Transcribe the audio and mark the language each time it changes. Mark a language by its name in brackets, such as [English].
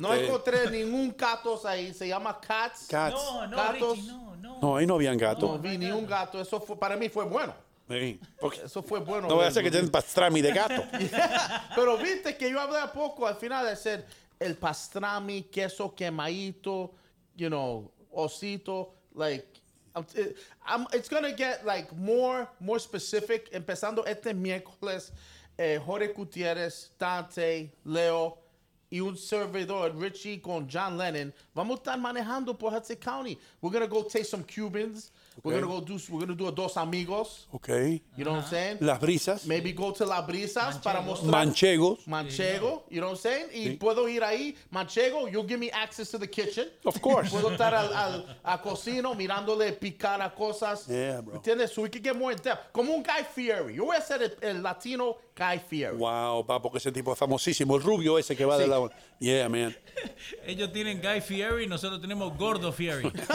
[Spanish] No encontré ningún gatos ahí, se llama Cats. Cats. No, gatos. Richie, no. No, ahí no habían gatos. No vi ni un gato, eso fue, para mí fue bueno. Sí, eso fue bueno. No voy a hacer que tengan pastrami de gato. [English] Yeah. [Spanish] Pero viste que yo hablé a poco al final de hacer el pastrami, queso quemadito. [English] You know, osito, like, it's going to get, like, more specific. [Spanish] Empezando este miércoles, Jorge Gutierrez, Dante, Leo, y un servidor, Richie, con John Lennon. Vamos a estar manejando por [English] Hudson County. We're going to go take some Cubans. Okay. We're going to do a Dos Amigos. Okay. You know what I'm saying? [Spanish] Las Brisas. [English] Maybe go to Las Brisas. [Spanish] Manchego. Para mostrar. Manchegos. [English] Manchego. Yeah. You know what I'm saying? [Spanish] Sí. Y puedo ir ahí. [English] Manchego, you'll give me access to the kitchen. Of course. [Spanish] Puedo estar al cocino mirándole picar a cosas. [English] Yeah, bro. ¿Entiendes? So we can get more in depth. [Spanish] Como un [English] Guy Fieri. [Spanish] Yo voy a ser el latino Guy Fieri. Wow, papo, que ese tipo es famosísimo. El rubio ese que va de la... [English] Yeah, man. [Spanish] Ellos tienen Guy Fieri y nosotros tenemos Gordo Fieri.